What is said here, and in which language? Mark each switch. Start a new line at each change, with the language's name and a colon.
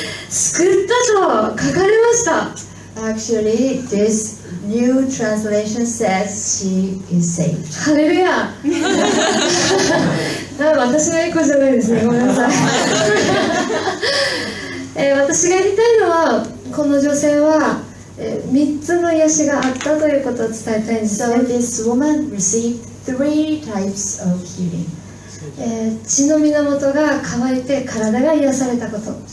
Japanese: 救ったと書かれました。
English: Actually, this new translation says she is saved.
Japanese: ハレルヤ。私の栄光じゃないですね。ごめんなさい。私が言いたいのは、この女性は3つの癒しがあったということを伝えたいんです。
English: So this woman received three types of healing.
Japanese: 血の源が乾いて体が癒されたこと。